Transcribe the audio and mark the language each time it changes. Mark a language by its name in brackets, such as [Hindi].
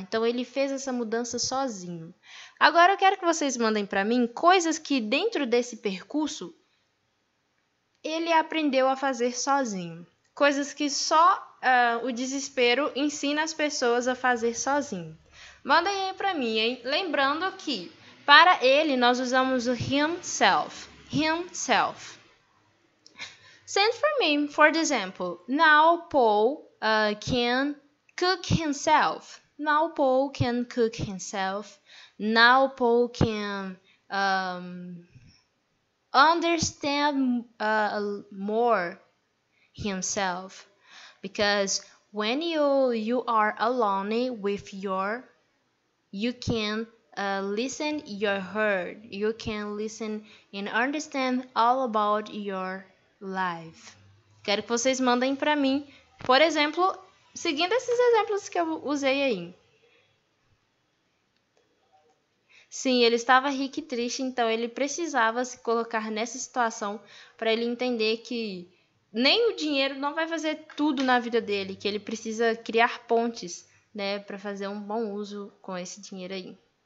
[Portuguese] Então, ele fez essa mudança sozinho. Agora, eu quero que vocês mandem para mim coisas que, dentro desse percurso, ele aprendeu a fazer sozinho. Coisas que só o desespero ensina as pessoas a fazer sozinho. Mandem aí para mim, hein? Lembrando que, para ele, nós usamos o himself. [English] Himself. Send for me, for example. Now Paul can cook himself. Now Paul can cook himself. Now Paul can understand more himself. Because when you are alone with you can listen your heart. You can listen and understand all about your life. [Portuguese] Quero que vocês mandem para mim, por exemplo, seguindo esses exemplos que eu usei aí. Sim, ele estava rico e triste, então ele precisava se colocar nessa situação para ele entender que nem o dinheiro não vai fazer tudo na vida dele, que ele precisa criar pontes, né, para fazer um bom uso com esse dinheiro aí.